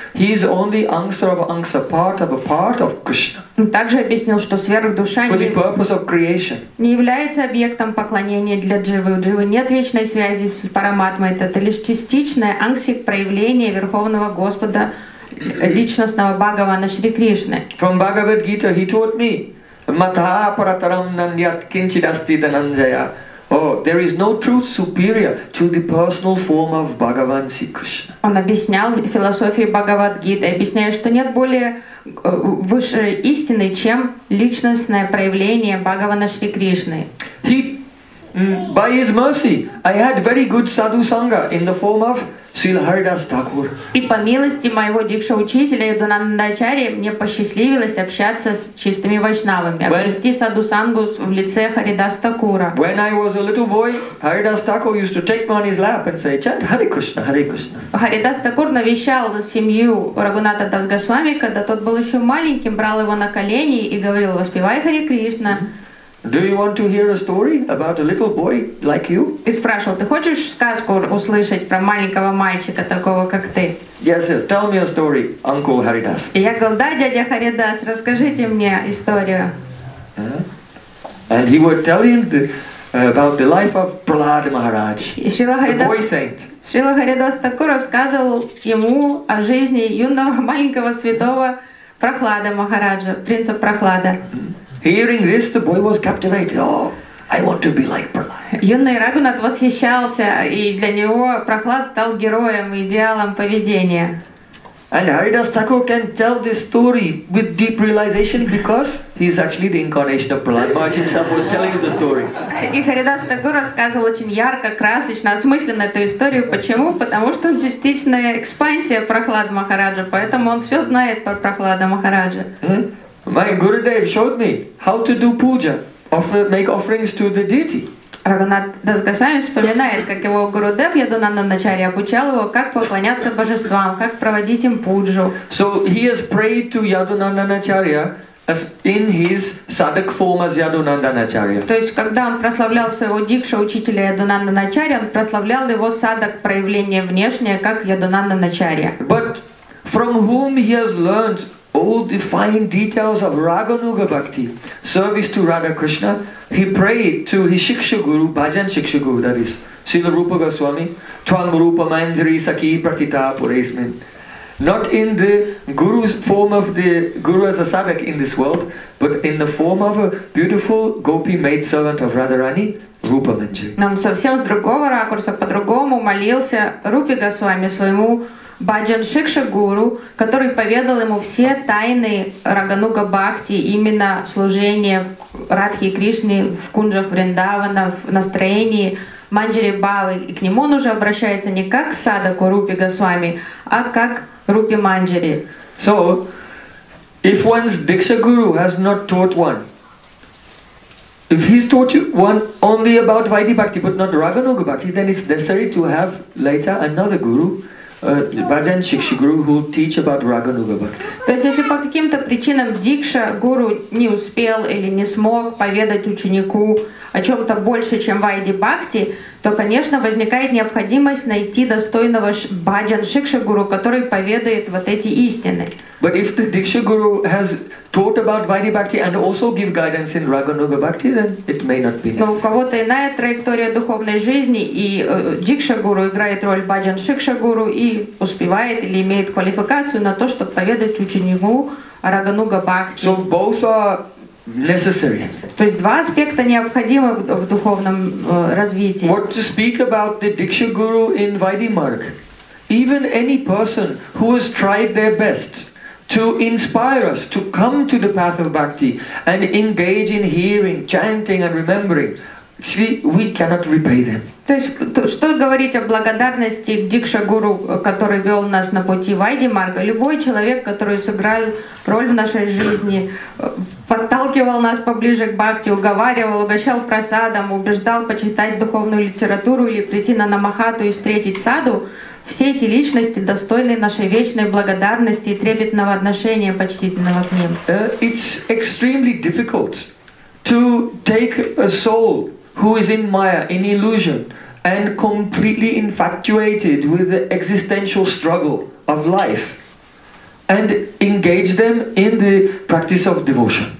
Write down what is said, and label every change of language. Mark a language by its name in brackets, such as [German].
[English] He is only angsa of angsa, part of a part of Krishna. [Russian] Также объяснил, что сверхдуша [English] for the purpose of creation. [Russian] Не является объектом поклонения для дживы. У дживы нет вечной связи с Параматмой. Это лишь частичное ангсик проявление верховного Господа. Личностного Бхагавана Шри Кришны. [English] From Bhagavad Gita he taught me, [Sanskrit] Matha Parataram Nandyat Kinchidasti Dananjaya. [English] Oh, there is no truth superior to the personal form of Bhagavan Sri Krishna. [Russian] Он объяснял философии Бхагавад Гиты, объясняя, что нет более высшей истины, чем личностное проявление Бхагавана Шри Кришны. [English] By his mercy, I had very good sadhu sangha in the form of [Russian] Шрила Харидас Такур. И по милости моего дикша учителя Йогананда Ачарьи мне посчастливилось общаться с чистыми вайшнавами, обрести саду сангу в лице Харидас Такура. [English] When I was a little boy, Харидас Такур used to take me on his lap and say, "Chant Hare Krishna, Hare Krishna." [Russian] Харидас Такур навещал семью Рагуната Дас Госвами, когда тот был еще маленьким, брал его на колени и говорил: "Воспевай Хари Кришна." [English] Do you want to hear a story about a little boy like you? [Russian] И спрашивал: ты хочешь сказку услышать про маленького мальчика такого как ты? [English] Yes, yes. Tell me a story, Uncle Haridas. [Russian] И я говорил: да, дядя Харидас, расскажите мне историю. [English] And he would tell him about the life of Prahlad Maharaj, the boy saint. [Russian] Шрила Харидас Такур рассказывал ему о жизни юного маленького святого Прахлада Махараджа, принца Прахлада. [English] Hearing this, the boy was captivated. Oh, I want to be like Prahlad. [Russian] Юный Рагунат восхищался, и для него Прахлад стал героем, идеалом поведения. [English] And Haridas Thakur can tell this story with deep realization because he is actually the incarnation of Prahlad. Maharaj himself was telling the story. [Russian] И Харидас Такур рассказывал очень ярко, красочно, осмысленно эту историю. Почему? Потому что он частичная экспансия Прахлад Махараджа, поэтому он все знает про Прахлада Махараджа. [English] My Gurudev showed me how to do puja, make offerings to the deity. [Russian] Рагунат Дас Госвами вспоминает, как его Гурудев Йогананда Ачарья обучал его, как поклоняться божествам, как проводить им пуджу. [English] So he has prayed to Йогананда Ачарья as in his sadhak form as Йогананда Ачарья. [Russian] То есть, когда он прославлял своего дикша учителя Йогананда Ачарья, он прославлял его садак проявление внешнее, как Йогананда Ачарья. [English] But from whom he has learned all the fine details of Raghunuga Bhakti, service to Radha Krishna, he prayed to his Shiksha Guru, Bhajan Shiksha Guru, that is, Srila Rupa Goswami, [Sanskrit] Twam Rupa Manjari Sakhi Pratita Puresmin. [English] Not in the Guru's form of the Guru as a Sadhak in this world, but in the form of a beautiful gopi maidservant of Radharani, Rupa Manjari. [Russian] Нам совсем с другого ракурса, по-другому молился Рупи Госвами своему Баджан Шикша Гуру, который поведал ему все тайны Рагануга Бхакти, именно служение Радхи Кришне в кунджах Вриндавана, в настроении Манджари Бавы. И к нему он уже обращается не как к садаку Рупи Госвами, а как Рупи Манджари. [English] So, if one's Diksha Guru has not taught one, if he's taught you one only about Vaidhi Bhakti, but not Rāganuga Bhakti, then it's necessary to have later another guru, Bhajan Shiksha Guru, who will teach about Rāganuga Bhakti. [Russian] То есть, если по каким-то причинам Дикша Гуру не успел или не смог поведать ученику о чем-то больше, чем Вайди Бхакти, то, конечно, возникает необходимость найти достойного Bhajan Shiksha Guru, который поведает вот эти истины. [English] But if the Diksha Guru has taught about Vaidhi Bhakti and also give guidance in Raghunuga Bhakti, then it may not be necessary. [Russian] Но у кого-то иная траектория духовной жизни, и Дикша Гуру играет роль Bhajan Shiksha Guru и успевает или имеет квалификацию на то, чтобы поведать ученику Raghunuga Bhakti. [English] So both are necessary. [Russian] То есть два аспекта необходимы в духовном развитии. [English] What to speak about the Diksha Guru in Vaidhi Marg? Even any person who has tried their best to inspire us to come to the path of bhakti and engage in hearing, chanting and remembering, see, we cannot repay them. [Russian] То есть, что говорить о благодарности Дикша Гуру, который вел нас на пути Вайди Марга? Любой человек, который сыграл роль в нашей жизни, подталкивал нас поближе к бхакти, уговаривал, угощал просадом, убеждал почитать духовную литературу или прийти на Намахату и встретить саду, все эти личности достойны нашей вечной благодарности и трепетного отношения почтительного к ним. [English] It's extremely difficult to take a soul who is in maya, in illusion, and completely infatuated with the existential struggle of life, and engage them in the practice of devotion.